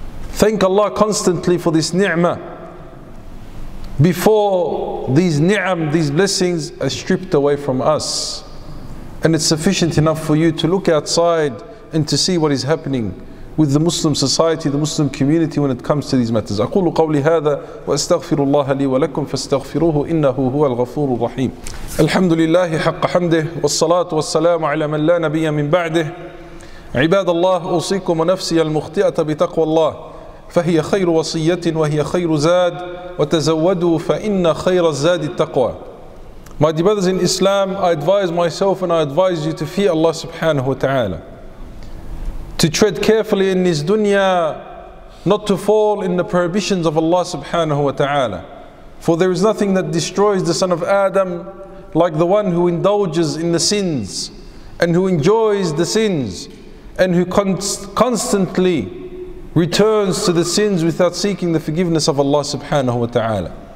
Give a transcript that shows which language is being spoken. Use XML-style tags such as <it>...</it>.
<en>Thank Allah constantly for this ni'mah before these ni'am, these blessings are stripped away from us. And it's sufficient enough for you to look outside and to see what is happening with the Muslim society, the Muslim community when it comes to these matters.</en> <ar>أقول قولي هذا وأستغفر الله لي ولكم فاستغفروه إنه هو الغفور الرحيم. الحمد لله حق حمده والصلاة والسلام على من لا نبي من بعده. عباد الله أوصيكم ونفسي المخطئة بتقوى الله فهي خير وصية وهي خير زاد وتزودوا فإن خير الزاد التقوى.</ar> <en>My dear brothers in Islam, I advise myself and I advise you to fear Allah subhanahu wa ta'ala, to tread carefully in this dunya, not to fall in the prohibitions of Allah subhanahu wa ta'ala. For there is nothing that destroys the son of Adam like the one who indulges in the sins and who enjoys the sins and who constantly returns to the sins without seeking the forgiveness of Allah subhanahu wa ta'ala.</en>